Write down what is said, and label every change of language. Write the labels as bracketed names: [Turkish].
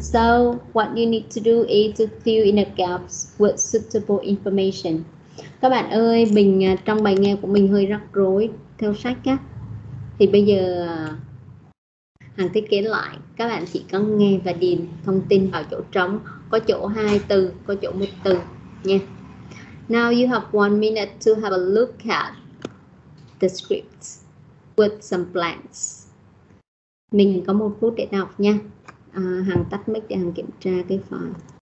[English] So what you need to do is to fill in the gaps with suitable information. [Vietnamese] Các bạn ơi, mình trong bài nghe của mình hơi rắc rối theo sách á. Thì bây giờ Hằng thiết kế lại, các bạn chỉ cần nghe và điền thông tin vào chỗ trống, có chỗ hai từ, có chỗ một từ nha. [English] Now you have 1 minute to have a look at the scripts with some blanks. [Vietnamese] Mình có 1 phút để đọc nha. Hằng tắt mic để Hằng kiểm tra cái file.